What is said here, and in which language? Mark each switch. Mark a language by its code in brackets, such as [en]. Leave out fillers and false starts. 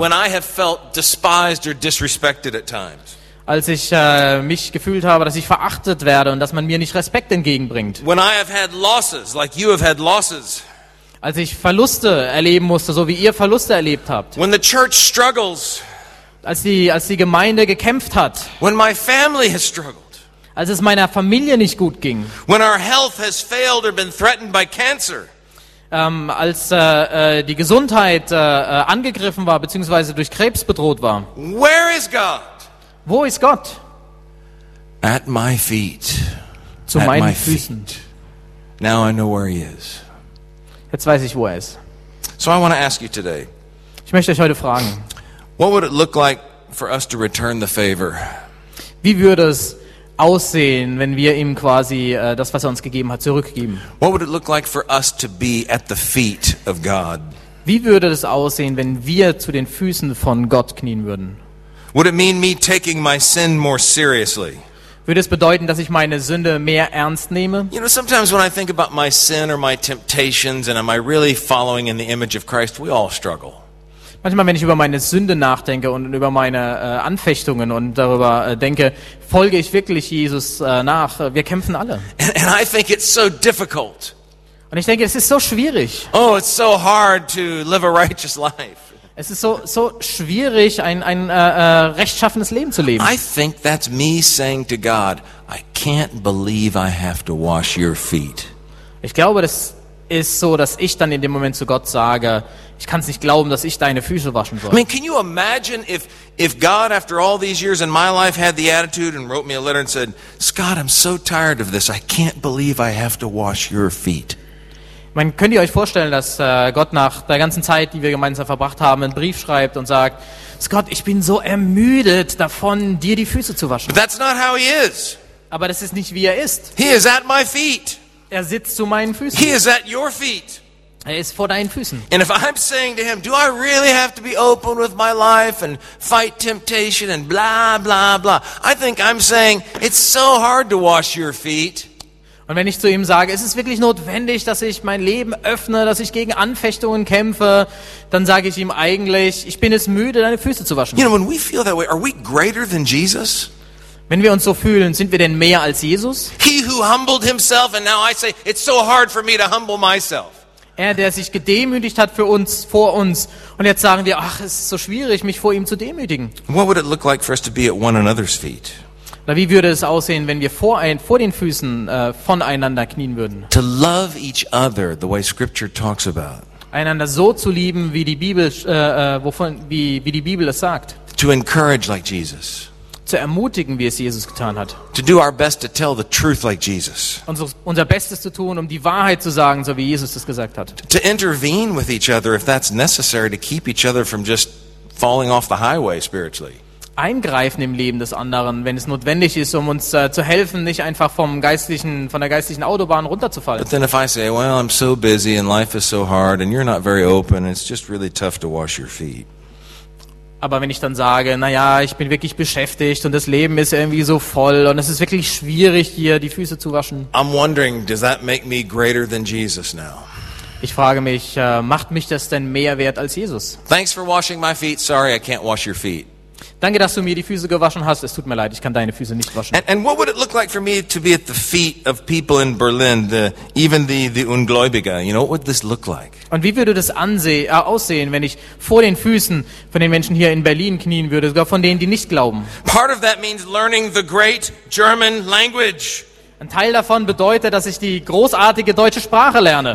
[en] When I have felt despised or disrespected at times. [de] Als ich mich gefühlt habe, dass ich verachtet werde und dass man mir nicht Respekt entgegenbringt. [en] When I have had losses, like you have had losses. [de] Als ich Verluste erleben musste, so wie ihr Verluste erlebt habt. [en] When the church struggles. [de] Als die Gemeinde gekämpft hat. [en] When my family has struggled. [de] Als es meiner Familie nicht gut ging. [en] When our health has failed or been threatened by cancer. [de] Die Gesundheit angegriffen war beziehungsweise durch Krebs bedroht war. [en] Where is God? [de] Wo ist Gott? [en] At my feet. [de] Zu [en] At [de] meinen [en] my [de] Füßen. [en] Feet. Now I know where he is. [de] Jetzt weiß ich, wo er ist. [en] So I want to ask you today. [de] Ich möchte euch heute fragen. [en] What would it look like for us to return the favor? [de] Wie würde es aussehen, wenn wir ihm quasi das, was er uns gegeben hat, zurückgeben. [en] What would it look like for us to be at the feet of God? [de] Wie würde es aussehen, wenn wir zu den Füßen von Gott knien würden? [en] Would it mean me taking my sin more seriously? [de] Würde es bedeuten, dass ich meine Sünde mehr ernst nehme? [en] You know, sometimes when I think about my sin or my temptations and am I really following in the image of Christ, we all struggle. [de] Manchmal, wenn ich über meine Sünde nachdenke und über meine Anfechtungen und darüber denke, folge ich wirklich Jesus nach? Wir kämpfen alle. [en] And I think it's so difficult. [de] Und ich denke, es ist so schwierig. [en] Oh, it's so hard to live a righteous life. [de] Es ist so schwierig, ein rechtschaffenes Leben zu leben. [en] I think that's me saying to God, I can't believe I have to wash your feet. [de] Ich glaube, das ist so, dass ich dann in dem Moment zu Gott sage, ich kann es nicht glauben, dass ich deine Füße waschen soll. [en] I mean, can you imagine if God after all these years in my life had the attitude and wrote me a letter and said, Scott, I'm so tired of this. I can't believe I have to wash your feet. [de] Man, könnt ihr euch vorstellen, dass Gott nach der ganzen Zeit, die wir gemeinsam verbracht haben, einen Brief schreibt und sagt, Scott, ich bin so ermüdet davon, dir die Füße zu waschen. [en] But that's not how he is. [de] Aber das ist nicht, wie er ist. [en] He is at my feet. [de] Er sitzt zu meinen Füßen. [en] He is at your feet. [de] Er ist vor deinen Füßen. [en] And if I'm saying to him, do I really have to be open with my life and fight temptation and blah blah blah? I think I'm saying it's so hard to wash your feet. [de] Und wenn ich zu ihm sage, ist es wirklich notwendig, dass ich mein Leben öffne, dass ich gegen Anfechtungen kämpfe, dann sage ich ihm eigentlich, ich bin es müde, deine Füße zu waschen. [en] You know, when we feel that way, are we greater than Jesus? [de] Wenn wir uns so fühlen, sind wir denn mehr als Jesus? [en] He who humbled himself and now I say it's so hard for me to humble myself. [de] Er, der sich gedemütigt hat für uns, vor uns. Und jetzt sagen wir, ach, es ist so schwierig, mich vor ihm zu demütigen. [en] What would it look like for us to be at one another's feet? [de] Na, wie würde es aussehen, wenn wir vor den Füßen voneinander knien würden? [en] To love each other the way scripture talks about. [de] Einander so zu lieben, wie die Bibel wie die Bibel es sagt. [en] To encourage like Jesus. [de] Zu ermutigen, wie es Jesus getan hat. [en] To do our best to tell the truth like Jesus. [de] Unser Bestes zu tun, um die Wahrheit zu sagen, so wie Jesus es gesagt hat. [en] To intervene with each other if that's necessary to keep each other from just falling off the highway spiritually. [de] Eingreifen im Leben des anderen, wenn es notwendig ist, um uns zu helfen, nicht einfach von der geistlichen Autobahn runterzufallen. [en] But then if I say, well, I'm so busy and life is so hard and you're not very open, it's just really tough to wash your feet. [de] Aber wenn ich dann sage, naja, ich bin wirklich beschäftigt und das Leben ist irgendwie so voll und es ist wirklich schwierig, hier die Füße zu waschen. [en] I'm wondering, does that make me greater than Jesus now? [de] Ich frage mich, macht mich das denn mehr wert als Jesus? [en] Thanks for washing my feet. Sorry, I can't wash your feet. [de] Danke, dass du mir die Füße gewaschen hast. Es tut mir leid, ich kann deine Füße nicht waschen. [en] And what would it look like for me to be at the feet of people in Berlin, even the Ungläubiger? You know, what would this look like? [de] Und wie würde das aussehen, wenn ich vor den Füßen von den Menschen hier in Berlin knien würde, sogar von denen, die nicht glauben? [en] Part of that means learning the great German language. [de] Ein Teil davon bedeutet, dass ich die großartige deutsche Sprache lerne.